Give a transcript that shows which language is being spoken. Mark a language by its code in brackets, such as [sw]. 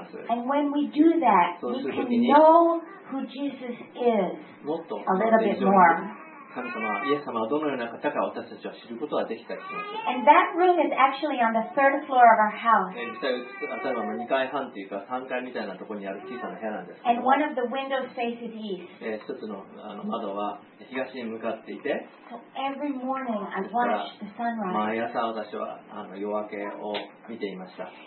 [en] And when we do that, we can know who Jesus is a little bit more. [ja] 神様、イエス様はどのような方か私たちは知ることができたりします。 [en] And that room is actually on the third floor of our house. [ja] 実際、例えば2階半というか3階みたいなところにある小さな部屋なんです。 [en] And one of the windows faces east. [ja] 一つの窓は東に向かっていて、 [en] So every morning I watch the sunrise. [ja] 毎朝私は夜明けを見ていました。